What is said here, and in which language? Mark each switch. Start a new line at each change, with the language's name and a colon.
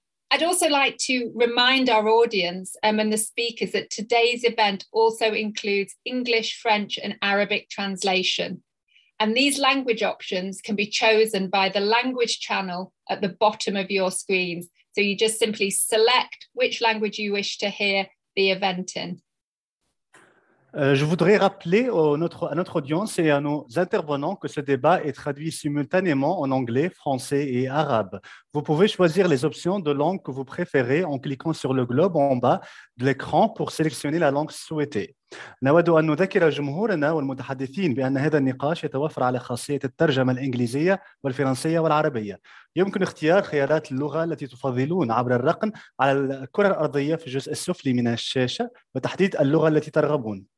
English: I'd also like to remind our audience and the speakers that today's event also includes English, French, and Arabic translation. And these language options can be chosen by the language channel at the bottom of your screens. So you just simply select which language you wish to hear the event in.
French: Je voudrais rappeler à notre audience et à nos intervenants que ce débat est traduit simultanément en anglais, français et arabe. Vous pouvez choisir les options de langue que vous préférez en cliquant sur le globe en bas de l'écran pour sélectionner la langue souhaitée.
Arabic: نود أن نذكر جمهورنا والمتحدثين بأن هذا النقاش يتوفر على خاصية الترجمة الإنجليزية والفرنسية والعربية. يمكن اختيار خيارات اللغة التي تفضلون عبر الرقم على الكرة الأرضية في الجزء السفلي من الشاشة وتحديد اللغة التي ترغبون.